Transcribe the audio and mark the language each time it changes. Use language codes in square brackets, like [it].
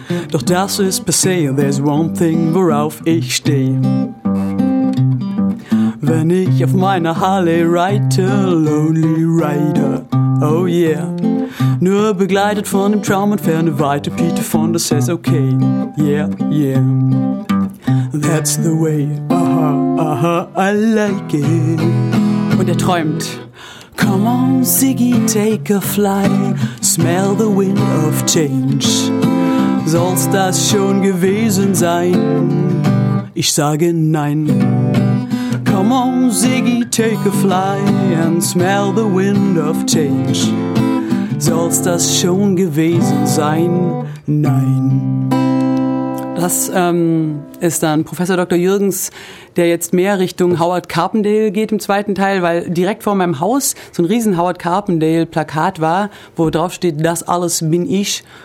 [de] Doch das ist passé, [en] there's one thing, [de] worauf ich steh. Wenn ich auf meiner Harley reite, [en] Lonely Rider. Oh yeah. [de] Nur begleitet von dem Traum und ferne Weite, Peter Fonda [en] says okay. Yeah, yeah. That's the way, aha, aha, I like it. [de] Und er träumt. [en] Come on, Ziggy, take a fly. Smell the wind of change. [de] Soll's das schon gewesen sein? Ich sage nein. [en] Come on, Ziggy, take a fly. And smell the wind of change. [de] Soll's das schon gewesen sein? Nein. Das ist dann Professor Dr. Jürgens, der jetzt mehr Richtung Howard Carpendale geht im zweiten Teil, weil direkt vor meinem Haus so ein riesen Howard Carpendale-Plakat war, wo drauf steht, das alles bin ich.